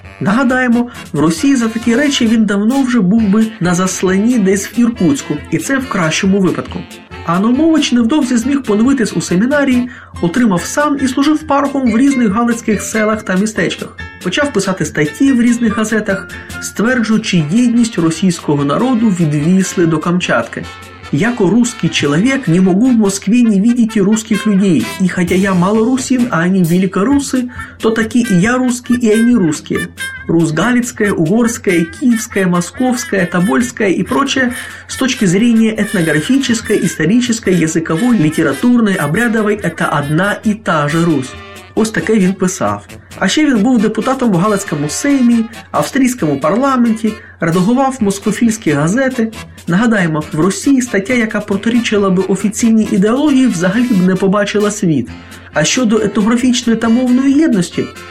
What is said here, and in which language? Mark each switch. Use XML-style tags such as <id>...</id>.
<uk>Нагадаємо, в Росії за такі речі він давно вже був би на засланні десь в Іркутську, і це в кращому випадку. А Наумович невдовзі зміг поновитись у семінарії, отримав сан і служив парохом в різних галицьких селах та містечках. Почав писати статті в різних газетах, стверджуючи єдність російського народу від Вісли до Камчатки.</uk> <ru>«Яко русский человек не могу в Москве не видеть русских людей, и хотя я малорусин, а они великорусы, то таки и я русский, и они русские. Русгалицкая, угорская, киевская, московская, тобольская и прочее с точки зрения этнографической, исторической, языковой, литературной, обрядовой – это одна и та же Русь».</ru> <uk>Ось таке він писав. А ще він був депутатом в Галицькому сеймі, австрійському парламенті, редагував москофільські газети. Нагадаємо, в Росії стаття, яка протирічила би офіційній ідеології, взагалі б не побачила світ. А щодо етнографічної та мовної єдності,</uk>